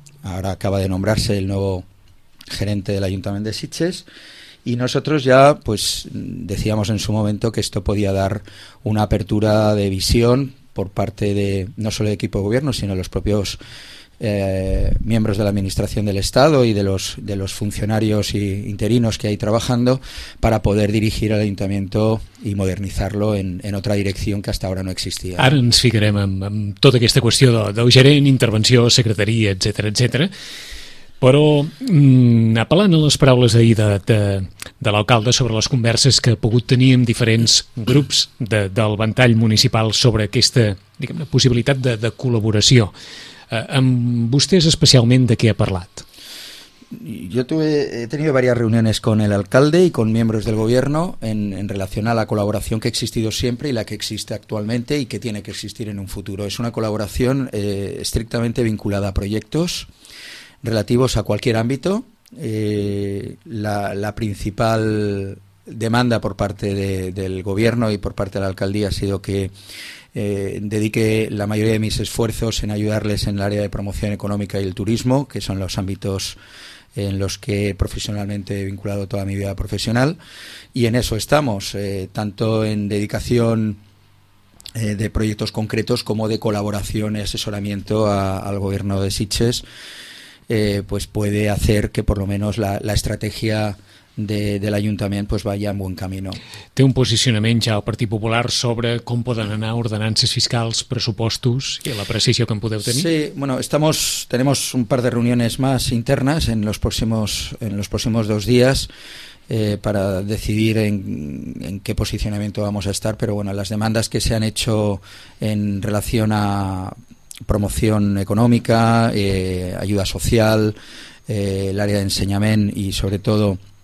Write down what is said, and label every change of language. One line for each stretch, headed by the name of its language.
Spanish: Ahora acaba de nombrarse el nuevo gerente del Ayuntamiento de Sitges y nosotros ya pues decíamos en su momento que esto podía dar una apertura de visión por parte de no solo el equipo de gobierno, sino los propios miembros de la administración del Estado y de los funcionarios y interinos que hay trabajando para poder dirigir el ayuntamiento y modernizarlo en otra dirección que hasta ahora no existía.
Catalan: Ara ens ficarem amb tota aquesta qüestió del gerent, intervenció, secretaria, etcètera. Però apel·lant a les paraules d'ahir de l'alcalde sobre les converses que ha pogut tenir amb diferents grups del ventall municipal sobre aquesta, diguem-ne, possibilitat de col·laboració, amb vostès especialment de què ha parlat?
Spanish: Yo he tenido varias reuniones con el alcalde y con miembros del gobierno en relación a la colaboración que ha existido siempre y la que existe actualmente y que tiene que existir en un futuro. Es una colaboración estrictamente vinculada a proyectos relativos a cualquier ámbito. La principal demanda por parte del gobierno y por parte de la alcaldía ha sido que dedique la mayoría de mis esfuerzos en ayudarles en el área de promoción económica y el turismo, que son los ámbitos en los que profesionalmente he vinculado toda mi vida profesional, y en eso estamos, tanto en dedicación de proyectos concretos como de colaboración y asesoramiento al gobierno de Sitges, pues puede hacer que por lo menos la estrategia de l'Ajuntament pues vaya en
Catalan: bon camí. Té un posicionament ja al Partit Popular sobre com poden anar ordenances fiscals, pressupostos i la precisió que en podeu tenir?
Spanish: Sí, bueno, tenemos un par de reuniones más internas en los próximos dos días para decidir en qué posicionamiento vamos a estar, pero bueno, las demandas que se han hecho en relación a promoción económica, ayuda social, el área de enseñament y sobre todo